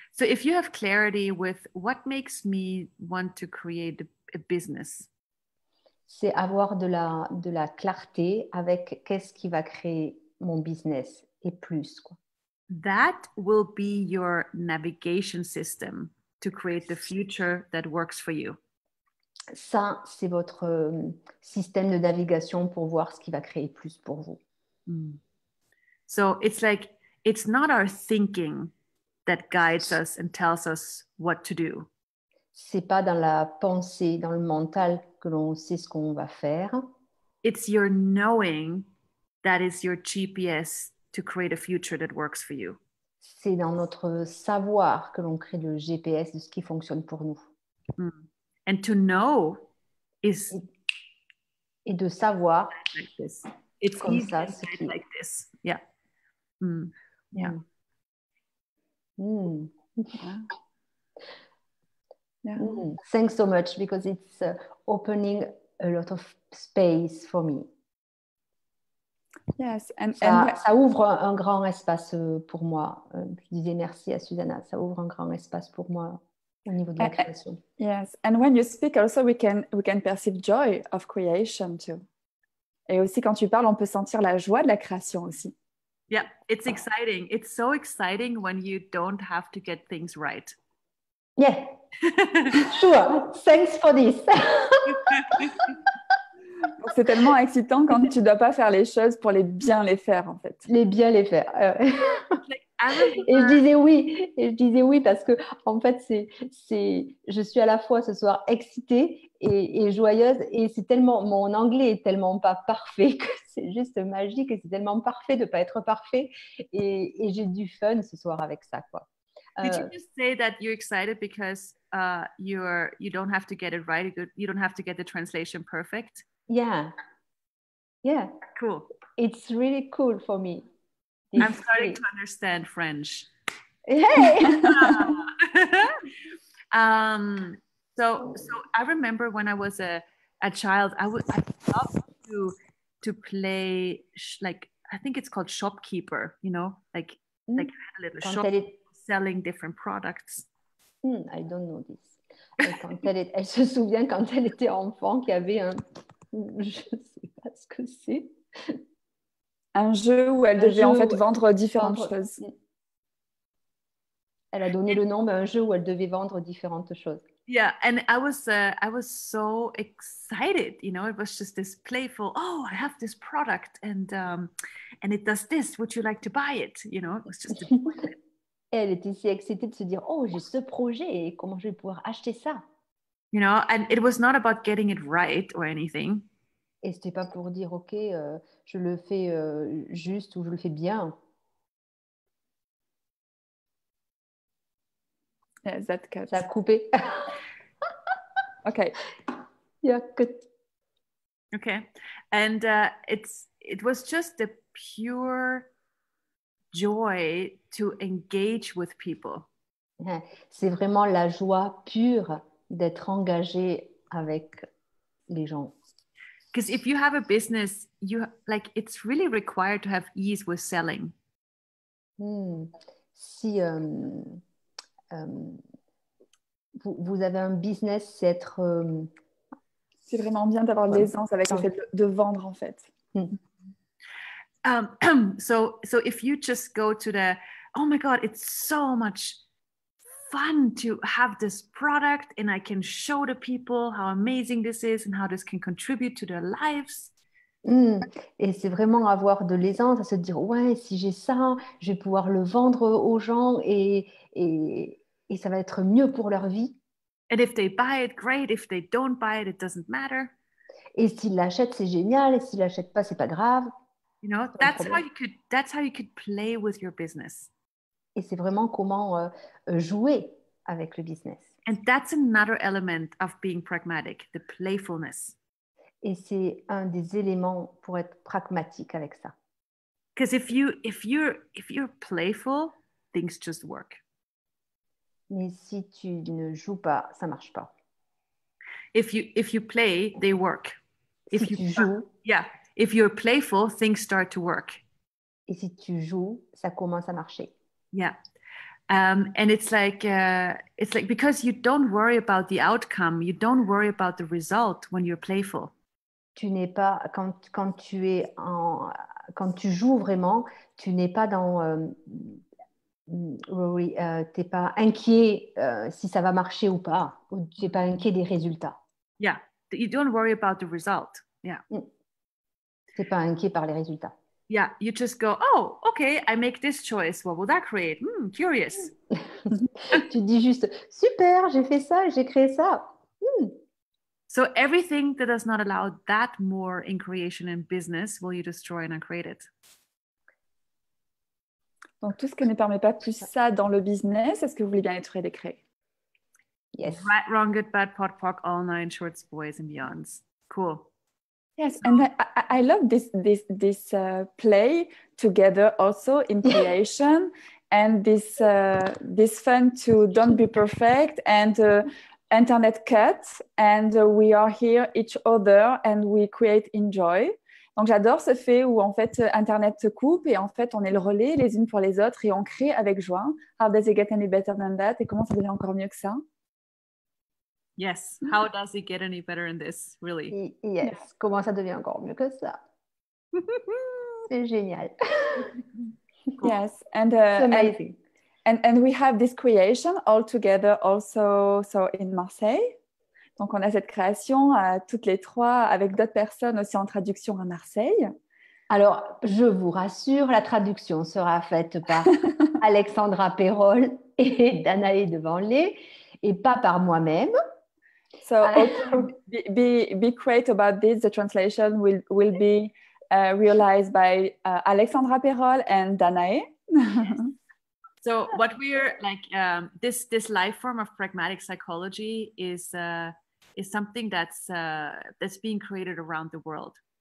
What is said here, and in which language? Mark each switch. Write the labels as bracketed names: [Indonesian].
[English] So if you have clarity with what makes me want to create a business, [French] c'est avoir de la clarté avec qu'est-ce qui va créer mon business et plus quoi. [English] That will be your navigation system to create the future that works for you. [French] Ça, c'est votre système de navigation pour voir ce qui va créer plus pour vous. Mm. [English] So it's like, it's not our thinking that guides us and tells us what to do. [French] C'est pas dans la pensée, dans le mental que l'on sait ce qu'on va faire. [English] It's your knowing that is your GPS to create a future that works for you. [French] C'est dans notre savoir que l'on crée le GPS de ce qui fonctionne pour nous. [English] Mm. And to know is... [French] Et de savoir... [English] Like this. It's [French] comme [English] easy [French] ça, [English] to [French] ce qui... [English] like this. Yeah. Mm. Yeah. Mm. Yeah. Mm. Thanks so much because it's opening a lot of space for me. Yes, [French] ça ouvre un grand espace pour moi. Je disais merci à Susanna. Ça ouvre un grand espace pour moi au niveau de la création. [English] Yes, and when you speak, also we can perceive joy of creation too. [French] Et aussi quand tu parles, on peut sentir la joie de la création aussi. [English] Yeah, it's exciting. It's so exciting when you don't have to get things right. Yeah, sure. Thanks for this. [French] C'est tellement excitant quand tu ne dois pas faire les choses pour les bien les faire, en fait. Les bien les faire. Et je disais oui, parce que, en fait, je suis à la fois ce soir excitée et joyeuse, et c'est tellement, mon anglais est tellement pas parfait que c'est juste magique, et c'est tellement parfait de ne pas être parfait, et j'ai du fun ce soir avec ça, quoi. [English] Did you just say that you're excited because you don't have to get it right, you don't have to get the translation perfect? Yeah. Yeah. Cool. It's really cool for me. I'm starting to understand French. Hey. So I remember when I was a child, I would love to play like, I think it's called shopkeeper, you know, like like a little Can't shop selling different products. I don't know this. [French] Quand elle se souvient quand elle était enfant qu'il y avait un, je sais pas ce que c'est, un jeu où elle devait en fait vendre différentes choses. Elle a donné le nom à un jeu où elle devait vendre différentes choses. [English] Yeah, and I was so excited, you know, it was just this playful, oh, I have this product and it does this, would you like to buy it, you know, it was just a [French] Elle était si excitée de se dire, oh, j'ai ce projet, comment je vais pouvoir acheter ça? [English] You know, and it was not about getting it right or anything. [French] Et ce n'était pas pour dire, ok, je le fais juste ou je le fais bien. [English] Yeah, that cuts. [French] Ça a coupé. Ok. [English] Yeah, good. Ok. And it was just the pure joy to engage with people. [French] C'est vraiment la joie pure d'être engagé avec les gens. [English] Because if you have a business, you like it's really required to have ease with selling. [French] Si vous avez un business, c'est être c'est vraiment bien d'avoir l'aisance avec le fait de vendre en fait. [English] So if you just go to the, oh my God, it's so much fun to have this product and I can show the people how amazing this is and how this can contribute to their lives. [French] Et c'est vraiment avoir de l'aisance à se dire, ouais, si j'ai ça, je vais pouvoir le vendre aux gens et ça va être mieux pour leur vie. [English] And if they buy it, great. If they don't buy it, it doesn't matter. [French] Et s'ils l'achètent, c'est génial. Et s'ils l'achètent pas, c'est pas grave. [English] You know, that's how you could play with your business. [French] Et c'est vraiment comment jouer avec le business. [English] And that's another element of being pragmatic, the playfulness. [French] Et c'est un des éléments pour être pragmatique avec ça. [English] Because if you're playful, things just work. [French] Mais si tu ne joues pas, ça marche pas. [English] If you play, they work. [French] Si [English] if [French] tu [English] you [French] joues, [English] yeah. If you're playful, things start to work. [French] Et si tu joues, ça commence à marcher. [English] Yeah. And it's like because you don't worry about the outcome, you don't worry about the result when you're playful. [French] Tu n'es pas quand tu joues vraiment, tu n'es pas dans t'es pas inquiet si ça va marcher ou pas, ou tu n'es pas inquiet des résultats. [English] Yeah. You don't worry about the result. Yeah. [French] T'es pas inquiet par les résultats. [English] Yeah, you just go, oh, okay, I make this choice. What will that create? Curious. [French] Tu dis juste, super, j'ai fait ça, j'ai créé ça. [English] So everything that does not allow that more in creation and business, will you destroy and uncreate it? [French] Donc tout ce qui ne permet pas plus ça dans le business, est-ce que vous voulez bien être décréé? [English] Yes. Right, wrong, good, bad, pot, pock, all nine shorts, boys and beyonds. Cool. Yes, and I love this play together also in creation, and this fun to don't be perfect and internet cuts, and we are here each other and we create enjoy. [French] Donc j'adore ce fait où en fait internet se coupe et en fait on est le relais les unes pour les autres et on crée avec joie. [English] How does it get any better than that? [French] Et comment ça devient encore mieux que ça? [English] Yes, how does it get any better in this, really? Yes, yeah. [French] Comment ça devient encore mieux que ça? C'est génial. [English] Cool. Yes, and it's amazing. And we have this creation all together also, so in Marseille. [French] Donc on a cette création toutes les trois avec d'autres personnes aussi en traduction à Marseille. Alors, je vous rassure, la traduction sera faite par Alexandra Perrol et Danaé Devanlet et pas par moi-même. [English] So be great about this. The translation will be realized by Alexandra Perrol and Danae. So what we're like this life form of pragmatic psychology is something that's being created around the world.